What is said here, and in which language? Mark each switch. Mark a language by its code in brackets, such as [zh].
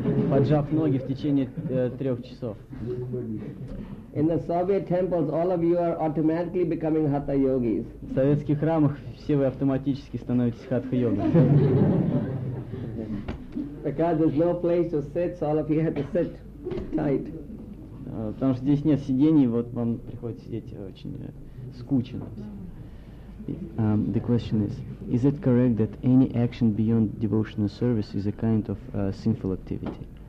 [ru] Поджав ноги в течение 3 часов. [en] In the Soviet temples, all of you are automatically becoming hatha yogis. [ru] В советских храмах все вы автоматически становитесь хатха йогами. [en] Because there's no place to sit, so all of you have to sit tight. [ru] Потому что здесь нет сидений, вот вам приходится сидеть очень скучно. [en] The question is, is it correct that any action beyond devotional service is a kind of sinful activity?